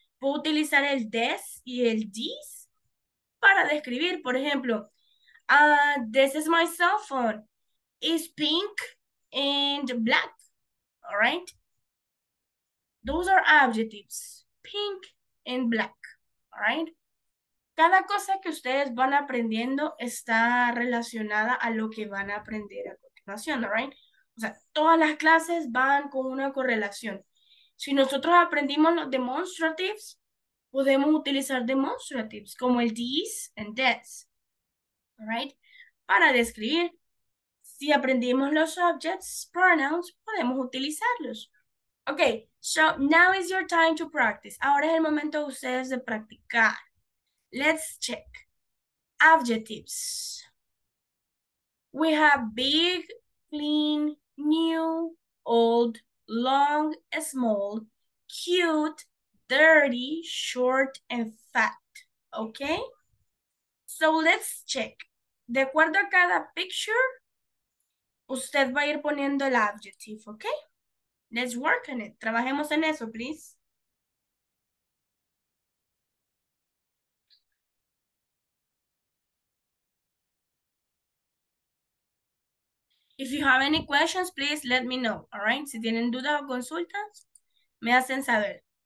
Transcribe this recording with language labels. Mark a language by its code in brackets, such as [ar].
[es] Puedo utilizar el this y el this para describir, por ejemplo, [en] this is my cell phone. It's pink and black, all right? Those are adjectives, pink and black, all right? [es] Cada cosa que ustedes van aprendiendo está relacionada a lo que van a aprender a continuación, [en] all right? [es] O sea, todas las clases van con una correlación. Si nosotros aprendimos los demonstratives, podemos utilizar demonstratives como el [en] these and that's, [es] right? Para describir, si aprendimos los objects, pronouns, podemos utilizarlos. [en] Okay, so now is your time to practice. [es] Ahora es el momento de ustedes de practicar. [en] Let's check. Adjectives. We have big, clean, new, old, long, small, cute, dirty, short, and fat. Okay? So let's check. [es] De acuerdo a cada picture, usted va a ir poniendo el adjective, okay? [en] Let's work on it. [es] Trabajemos en eso, please. [en] If you have any questions, please let me know, all right? [es] Si tienen duda o consultas, me hacen saber.